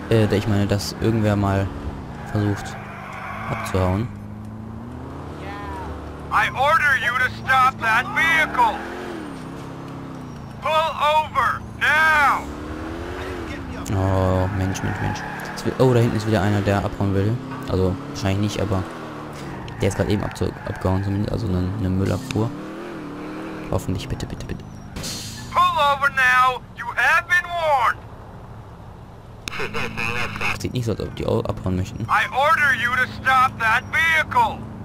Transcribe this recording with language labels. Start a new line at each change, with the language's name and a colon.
German: ich meine, dass irgendwer mal versucht abzuhauen.
English: I order you to stop that vehicle. Pull over now.
German: Oh, Mensch, Mensch, Mensch. Oh, da hinten ist wieder einer, der abhauen will. Also wahrscheinlich nicht, aber der ist gerade eben abgehauen zumindest. Also eine Müllabfuhr. Hoffentlich, bitte, bitte, bitte.
English: Pull over now. You have been warned.
German: Das sieht nicht so aus, als ob die auch abhauen möchten.
English: I order you to stop that vehicle.